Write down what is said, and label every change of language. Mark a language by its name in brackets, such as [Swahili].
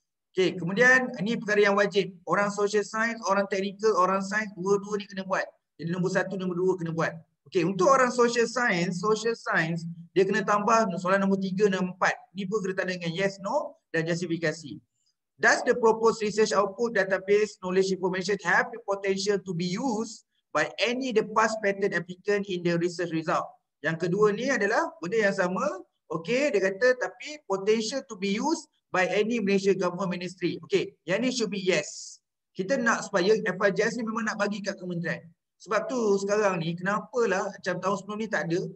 [Malay] Okay, kemudian ni perkara yang wajib. Orang social science, orang technical, orang science, dua-dua ni kena buat. Jadi nombor satu, nombor dua kena buat. Okay, untuk orang social science, dia kena tambah soalan nombor tiga dan empat. Ni pun kena tanda dengan yes, no dan justifikasi. [English] Does the proposed research output database knowledge information have the potential to be used by any the past patent applicant in the research result? [Malay] Yang kedua ni adalah benda yang sama. Okay, dia kata tapi [English] potential to be used by any Malaysia government ministry. [Malay] Okay, yang ni [English] should be yes. [Malay] Kita nak supaya FIJS ni memang nak bagi kat kementerian. Sebab tu sekarang ni kenapalah macam tahun sebelum ni tak ada.